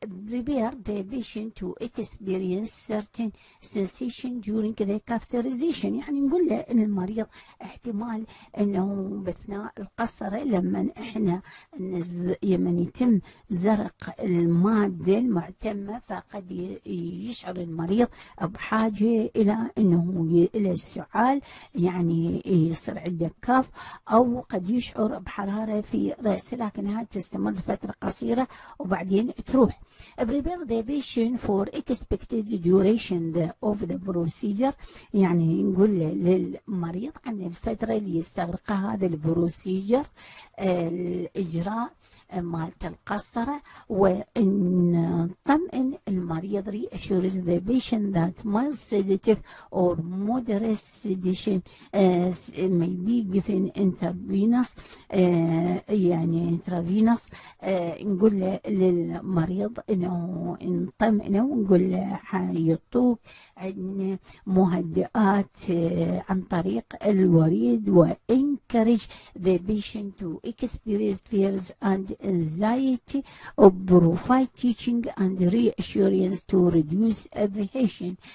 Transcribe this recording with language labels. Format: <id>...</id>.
<en>Prepare the patient to experience certain sensation during the catheterization.</en> <ar>يعني نقول له إن المريض احتمال إنه بأثناء القصرة لما إحنا لما يتم زرق المادة المعتمة فقد يشعر المريض بحاجة إلى إنه إلى السعال، يعني يصير عنده كف أو قد يشعر بحرارة في رأسه، لكنها تستمر فترة قصيرة وبعدين تروح.</ar> <en>Prepare the patient for expected duration of the procedure.</en> <ar>يعني نقول للمريض عن الفترة اللي يستغرقها هذا البروسيجر الإجراء مالت القصرة، وإن طمئن المريض</ar> <en>reassures the patient that mild sedative or moderate sedation may be given intravenous.</en> <ar>يعني</ar> <en>intravenous</en> <ar>نقول للمريض إنه نطمئنه ونقول له حيعطوك عن مهدئات عن طريق الوريد، و</ar> <en>encourage the patient to experience fears and anxiety of provide teaching and reassurance to reduce apprehension.</en>